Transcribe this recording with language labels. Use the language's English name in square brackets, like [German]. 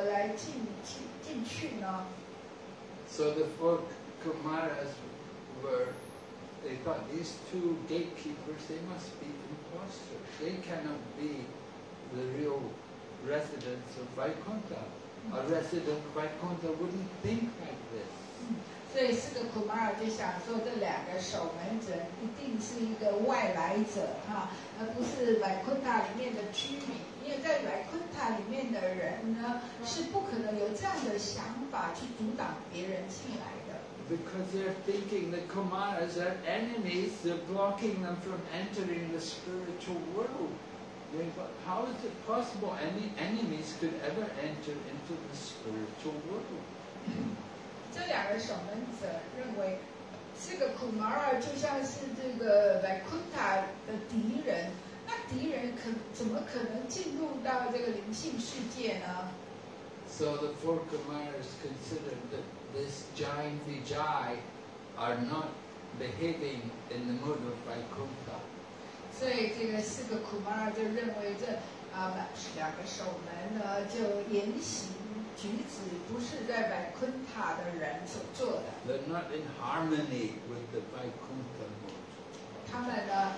[Chinese] 就是说，已经有资格来到这个Vaikuntha，已经是灵性的阶段了。那这个两个守门人怎么可以说我们没有资格来进去呢？ [English] So the four Kumaras were. They thought these two gatekeepers, they must be imposters. They cannot be the real residents of Vaikuntha. A resident of Vaikuntha wouldn't think like this. So, because they're thinking the Kumaras are enemies, they're blocking them from entering the spiritual world. How is it possible any enemies could ever enter into the spiritual world? [Chinese] 这两个守门者认为这个库马尔就像是这个维昆塔的敌人，那敌人可怎么可能进入到这个灵性世界呢？ [English] So the four Kumaras considered that this giant Vijay are not behaving in the mood of Vaikuntha. So these four Kumaras they're not in harmony with the Vaikuntha mood.